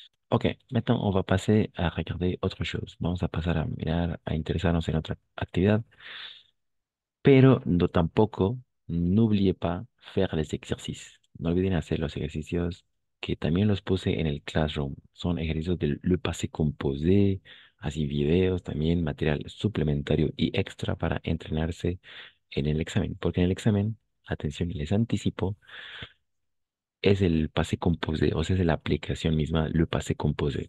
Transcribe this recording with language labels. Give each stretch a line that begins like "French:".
French: Ok, maintenant, on va passer à regarder autre chose.
Spanish: Vamos a pasar a mirar, a interesarnos en otra actividad. Pero no, tampoco,
French: n'oubliez pas faire les exercices.
Spanish: No olviden hacer los ejercicios que también los puse en el Classroom. Son ejercicios del le passé composé, así videos también, material suplementario y extra para entrenarse en el examen. Porque en el examen, atención, les anticipo, es el passé composé, o sea, es la aplicación misma, le passé composé.